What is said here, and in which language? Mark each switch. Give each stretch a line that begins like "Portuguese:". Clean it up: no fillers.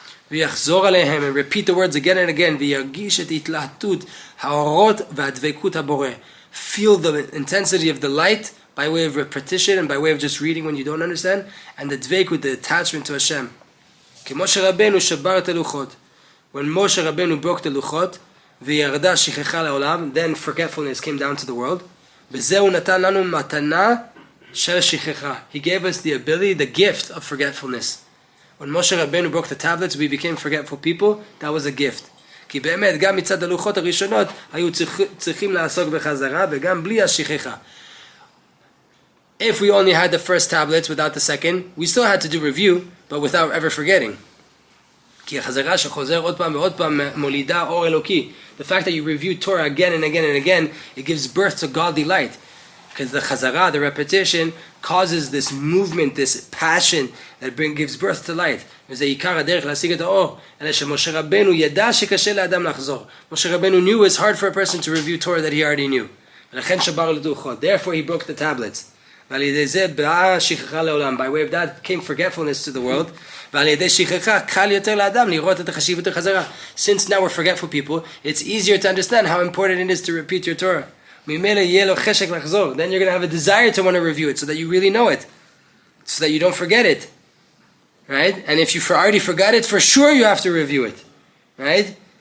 Hebrew: ויחזור עליהם,
English: and repeat the words again and again,
Hebrew: וירגיש את התלהטות, האורות והדבקות הבורא,
English: feel the intensity of the light, by way of repetition, and by way of just reading when you don't understand, and the דבקות, the attachment to Hashem,
Hebrew: כמו שרבנו שבר את הלוחות,
English: when Moshe Rabbeinu broke the luchot,
Hebrew: וירדה שכחה לעולם,
English: then forgetfulness came down to the world,
Hebrew: וזה הוא נתן לנו מתנה של שכחה.
English: He gave us the ability, the gift of forgetfulness. When Moshe Rabbeinu broke the tablets, we became forgetful people, that was a gift.
Hebrew: כי באמת, גם מצד הלוחות הראשונות, היו צריכים לעסוק בחזרה, וגם בלי השכחה.
English: If we only had the first tablets without the second, we still had to do review, but without ever forgetting.
Hebrew: כי החזרה שחוזר עוד פעם ועוד פעם מולידה אור אלוקי.
English: The fact that you review Torah again and again and again, it gives birth to godly light. Because the חזרה, the repetition, causes this movement, this passion that gives birth to light.
Hebrew: וזה עיקר הדרך להשיג את האור. אלא שמשה רבנו ידע שקשה לאדם לחזור.
English: משה רבנו knew it's hard for a person to review Torah that he already knew.
Hebrew: ולכן שבר לדוחות.
English: Therefore he broke the tablets.
Hebrew: ועל ידי זה באה שכחה לעולם.
English: By way of that came forgetfulness to the world.
Hebrew: ועל ידי שכחה קל יותר לאדם לראות את החשיבות החזרה.
English: Since now we're forgetful people, it's easier to understand how important it is to repeat your Torah.
Hebrew: ממילא יהיה לו חשק לחזור.
English: Then you're going to have a desire to want to review it so that you really know it. So that you don't forget it. Right? And if you already forgot it, for sure you have to review it. Right?